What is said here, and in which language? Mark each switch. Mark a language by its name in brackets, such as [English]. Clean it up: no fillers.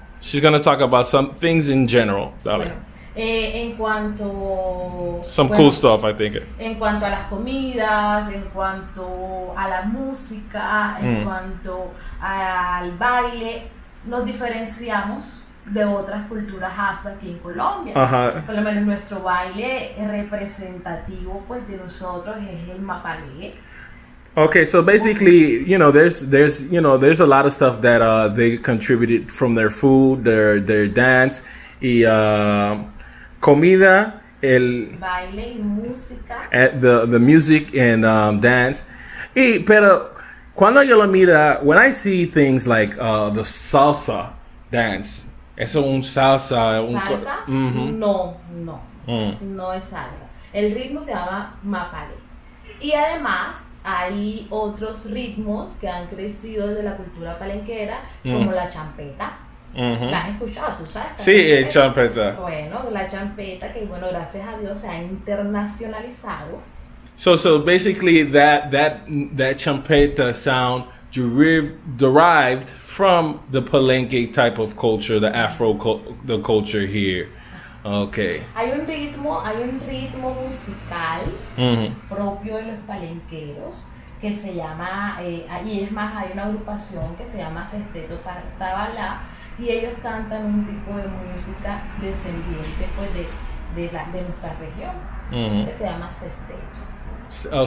[English] She's gonna talk about some things in general. Dale. Cool stuff, I think. [Spanish] En cuanto a las comidas, en cuanto a la música, en cuanto al baile, nos diferenciamos de otras culturas afro aquí en Colombia. Uh-huh. Por lo menos nuestro baile representativo, pues, de nosotros es el mapalé. [English] Okay, so basically, you know, there's a lot of stuff that they contributed from their food, their dance, [Spanish] comida, el baile y música, [English] the music and dance. [Spanish] Y pero cuando yo lo mira, [English] when I see things like the salsa dance, [Spanish] eso un salsa, no es salsa. El ritmo se llama mapalé. Y además hay otros ritmos que han crecido desde la cultura palenquera, como la champeta. Uh-huh. ¿La has escuchado? ¿Tú sabes? Sí, champeta. Bueno, la champeta, que bueno, gracias a Dios se ha internacionalizado. [English] So basically that champeta sound derived from the Palenque type of culture, the Afro the culture here. Okay. [Spanish] Hay un ritmo musical propio de los palenqueros que se llama hay una agrupación que se llama Sesteto Tabalá. Y ellos cantan un tipo de música descendiente, pues, de nuestra región, que se llama sesteto.